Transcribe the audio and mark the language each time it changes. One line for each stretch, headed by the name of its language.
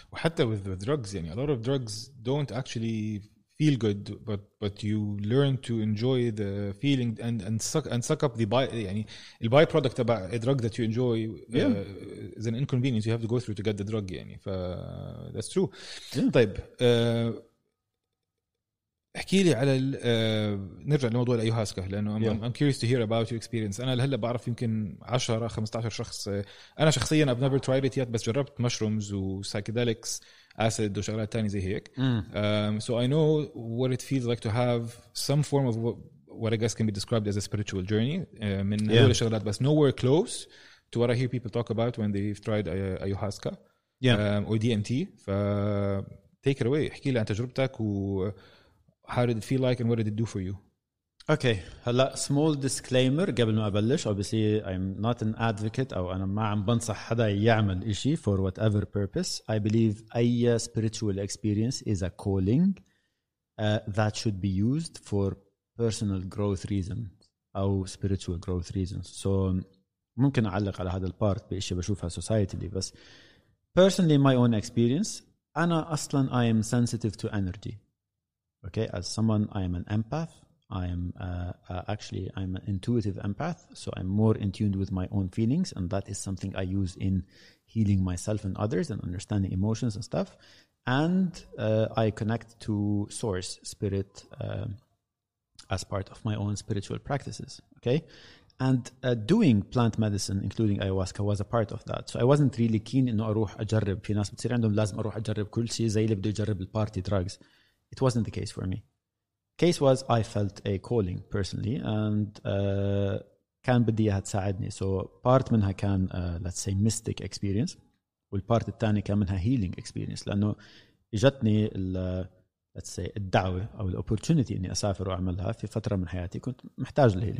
Arabic: وحتى
English: with drugs, يعني, a lot of drugs don't actually feel good, but you learn to enjoy the feeling and suck up the byproduct about a drug that you enjoy is an inconvenience you have to go through to get the drug. يعني. That's true. Yeah.
Arabic: طيب, احكي لي على نرجع لموضوع الأيوهاسكا لأنه
English: I'm curious to hear about your experience.
Arabic: أنا لهلا بعرف يمكن 10-15 شخص. أنا شخصيا
English: I've never tried it yet
Arabic: بس جربت مشرومز وسايكيدليكس أسيد وشغلات تاني زي هيك.
English: So I know what it feels like to have some form of what I guess can be described as a spiritual journey
Arabic: من هول الشغلات بس
English: nowhere close to what I hear people talk about when they've tried ayahuasca or DMT. Take it away.
Arabic: احكي لي عن تجربتك و
English: How did it feel like and what did it do for you? Okay, هلا small disclaimer
Arabic: قبل ما أبلش.
English: Obviously, I'm not an advocate
Arabic: أو أنا ما عم بنصح حدا يعمل إشي
English: for whatever purpose. I believe أي spiritual experience is a calling that should be used for personal growth reasons أو spiritual growth reasons.
Arabic: So, ممكن أعلق على هذا البارت بإشي بشوفها societally.
English: بس personally, my own experience,
Arabic: أنا أصلاً
English: I am sensitive to energy. Okay, as someone, I am an empath. I am I'm an intuitive empath. So I'm more in tune with my own feelings. And that is something I use in healing myself and others and understanding emotions and stuff. And I connect to source spirit as part of my own spiritual practices. Okay, and doing plant medicine, including ayahuasca, was a part of that. So I wasn't really keen in
Arabic: أروح أجرب. في ناس بتصير عندهم لازم أروح أجرب كل شيء زي اللي بده يجرب البارتي دراجز.
English: It wasn't the case for me. Case was I felt a calling personally and
Arabic: كان بدي اياها تساعدني. سو بارت منها كان
English: let's say mystic experience,
Arabic: والبارت الثاني كان منها
English: healing experience,
Arabic: لانه اجتني let's say الدعوه او الاوبورتونيتي اني اسافر واعملها في فتره من حياتي كنت محتاج للهيلينج.